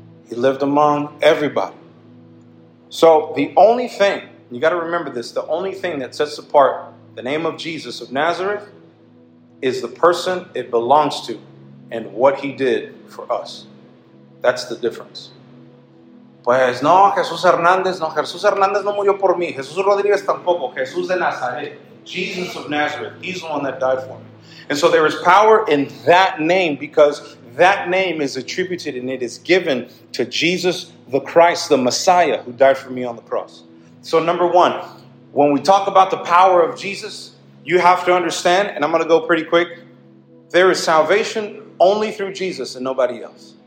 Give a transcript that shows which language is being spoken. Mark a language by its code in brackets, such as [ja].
[en] He lived among everybody. So the only thing, you got to remember this, the only thing that sets apart the name of Jesus of Nazareth is the person it belongs to and what he did for us. That's the difference. [es] Pues no, Jesús Hernández, no, Jesús Hernández no murió por mí. Jesús Rodríguez tampoco, Jesús de Nazaret. [en] Jesus of Nazareth, he's the one that died for me. And so there is power in that name because that name is attributed and it is given to Jesus the Christ, the Messiah, who died for me on the cross. So number one, when we talk about the power of Jesus, you have to understand, and I'm going to go pretty quick, there is salvation only through Jesus and nobody else.